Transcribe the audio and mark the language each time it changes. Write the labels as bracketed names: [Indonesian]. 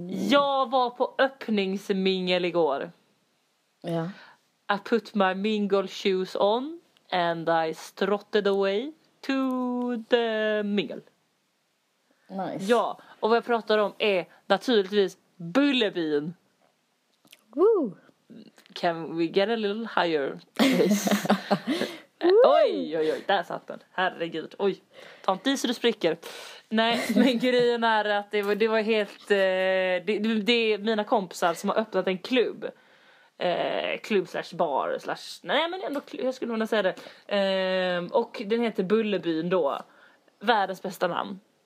[Swedish] Jag var på öppningsmingel igår. Ja. [English] I put my mingle shoes on and I strutted away to the mingle. [Swedish] Nice. Ja, och vad jag pratar om är naturligtvis Bullerbyn. Woo. [English] Can we get a little higher, please? [Swedish] Oj, oj, oj, där satt den. Herregud, oj. Ta inte i så du spricker. Nej, men grejen är att det var helt... Det är mina kompisar som har öppnat en klubb. Klubb slash bar slash... Nej, men ändå, jag skulle kunna säga det. Och den heter Bullerbyn då. Världens bästa namn.